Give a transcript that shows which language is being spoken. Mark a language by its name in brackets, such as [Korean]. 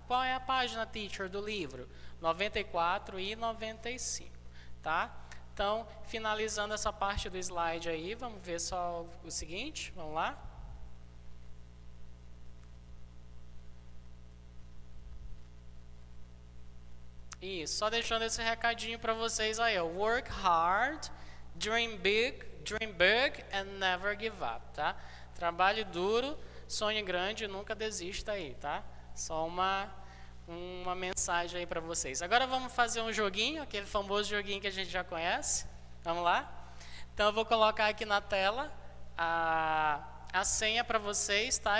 [Portuguese] Qual é a página, teacher, do livro? 94 e 95, tá? Então, finalizando essa parte do slide aí, vamos ver só o seguinte, vamos lá? Isso, só deixando esse recadinho para vocês aí, ó. [English] Work hard, dream big and never give up, [Portuguese] tá? Trabalhe duro, sonhe grande e nunca desista aí, tá? Só uma mensagem aí para vocês. Agora vamos fazer um joguinho, aquele famoso joguinho que a gente já conhece. Vamos lá? Então eu vou colocar aqui na tela a senha para vocês, tá?